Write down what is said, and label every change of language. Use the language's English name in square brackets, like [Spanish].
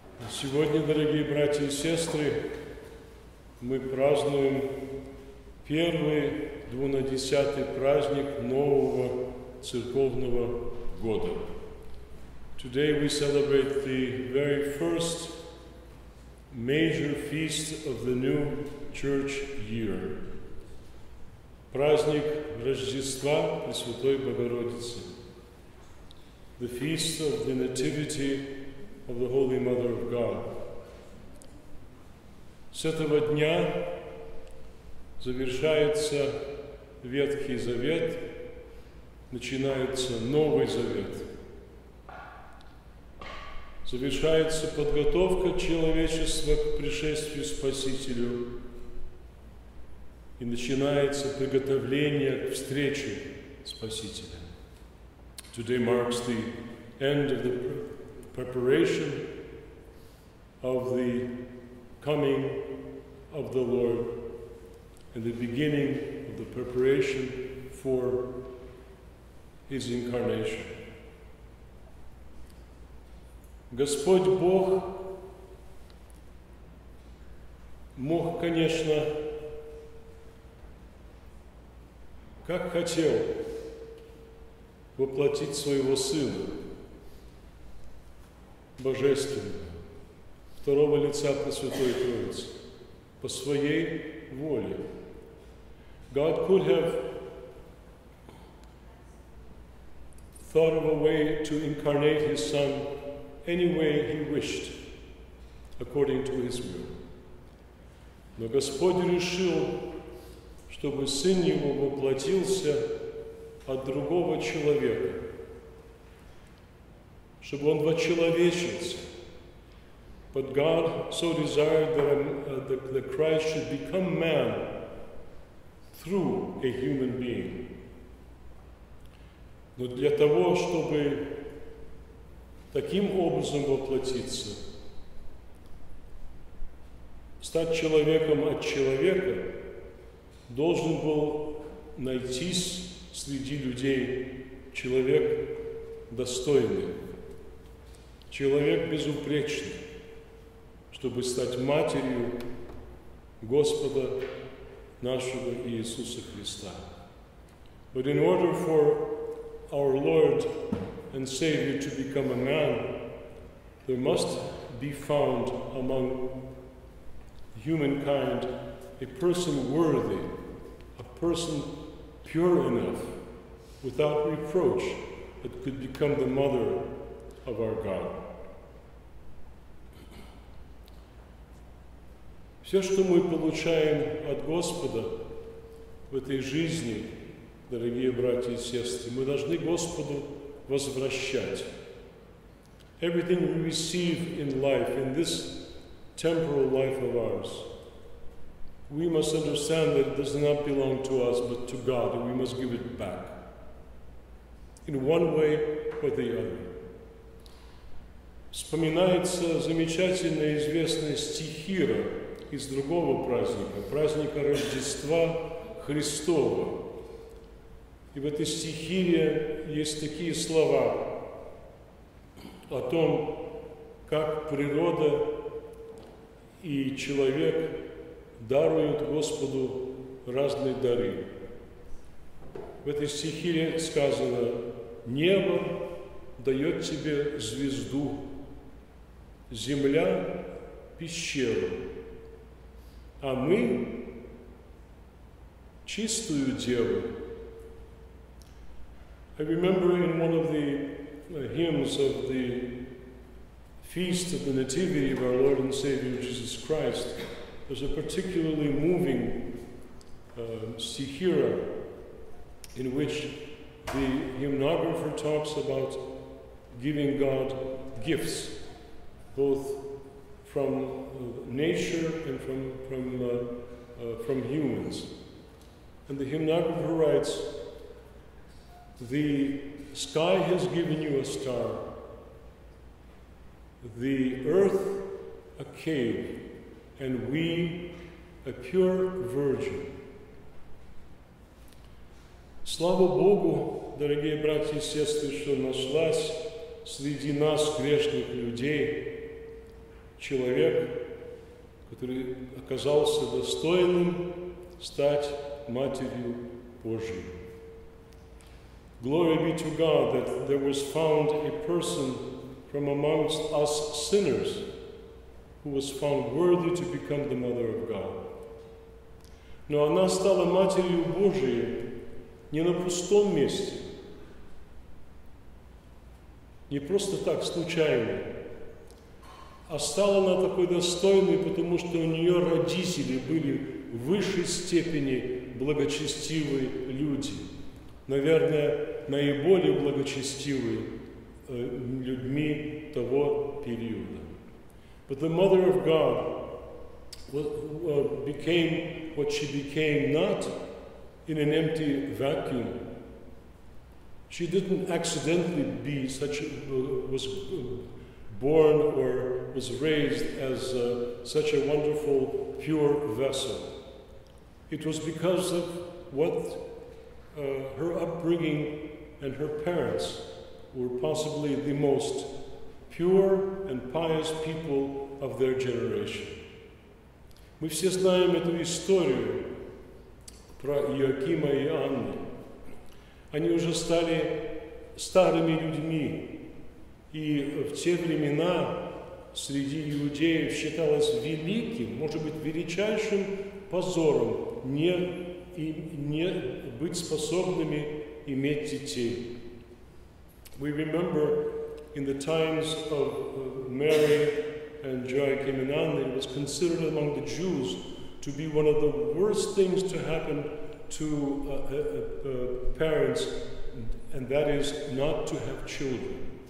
[Russian] Сегодня, дорогие братья и сестры, мы празднуем первый двунадесятый праздник нового церковного года. [English] Today we celebrate the very first major feast of the new church year. [Russian] Праздник Рождества Пресвятой Богородицы. [English] The feast of the Nativity of the Holy Mother of God. [Russian] С этого дня завершается Ветхий Завет, начинается Новый Завет. Завершается подготовка человечества к пришествию Спасителю. И начинается приготовление к встрече Спасителя. [English] Today marks the end of the preparation of the coming of the Lord and the beginning of the preparation for His incarnation. [Russian] Господь Бог мог, конечно, как хотел воплотить своего Сына Божественного, второго лица Пресвятой Троицы, по своей воле. [English] God could have thought of a way to incarnate His Son any way He wished, according to His will. [Russian] Но Господь решил, чтобы Сын Его воплотился от другого человека, чтобы Он вочеловечился. [English] But God so desired that Christ should become man through a human being. [Russian] Но для того, чтобы таким образом воплотиться, стать человеком от человека, должен был найтись среди людей человек достойный, человек безупречный, чтобы стать матерью Господа нашего Иисуса Христа. [English] But in order for our Lord and Savior to become a man, there must be found among humankind a person worthy, a person pure enough, without reproach, that could become the mother of our God. [Russian] Все, что мы получаем от Господа в этой жизни, дорогие братья и сестры, мы должны Господу возвращать. [English] Everything we receive in life, in this temporal life of ours, we must understand that it does not belong to us, but to God, and we must give it back in one way or the other. [Russian] Вспоминается замечательная известная стихира из другого праздника, праздника Рождества Христова. И в этой стихире есть такие слова о том, как природа и человек даруют Господу разные дары. В этой стихире сказано: «Небо дает тебе звезду, земля – пещеру, а мы – чистую деву». [English] I remember in one of the hymns of the Feast of the Nativity of our Lord and Savior Jesus Christ, there's a particularly moving stihira in which the hymnographer talks about giving God gifts, both from nature and from humans. And the hymnographer writes, "The sky has given you a star, the earth a cave, and we a pure virgin." [Russian] Слава Богу, дорогие братья и сестры, что нашлась среди нас, грешных людей, человек, который оказался достойным стать Матерью Божией. [English] Glory be to God that there was found a person from amongst us sinners who was found worthy to become the Mother of God. [Russian] Но она стала Матерью Божией не на пустом месте, не просто так, случайно, а стала она такой достойной, потому что у нее родители были в высшей степени благочестивые люди. Наверное, наиболее благочестивые людьми того периода. [English] But the Mother of God became what she became not in an empty vacuum. She didn't accidentally be such a, was born or was raised as such a wonderful pure vessel. It was because of what her upbringing and her parents were possibly the most pure and pious people of their generation. [Russian] Мы все знаем эту историю про Иоакима и Анну. Они уже стали старыми людьми, и в те времена среди иудеев считалось великим, может быть, величайшим позором не быть способными иметь детей. [English] We remember in the times of Mary and Joachim and Anna, it was considered among the Jews to be one of the worst things to happen to parents, and that is not to have children.